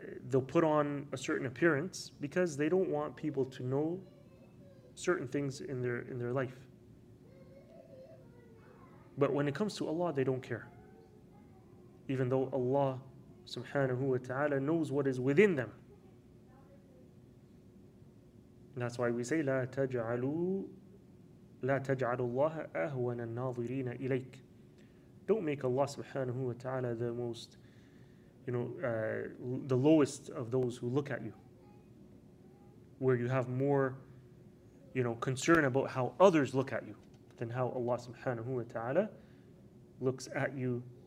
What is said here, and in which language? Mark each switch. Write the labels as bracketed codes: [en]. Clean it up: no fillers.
[en] They'll put on a certain appearance because they don't want people to know certain things in their life. But when it comes to Allah, they don't care. Even though Allah subhanahu wa ta'ala knows what is within them. And that's why we say, [ar] لا تجعلوا الله أهون الناظرين إليك. [en] Don't make Allah subhanahu wa ta'ala the most, you know, the lowest of those who look at you. Where you have more, you know, concern about how others look at you than how Allah subhanahu wa ta'ala looks at you.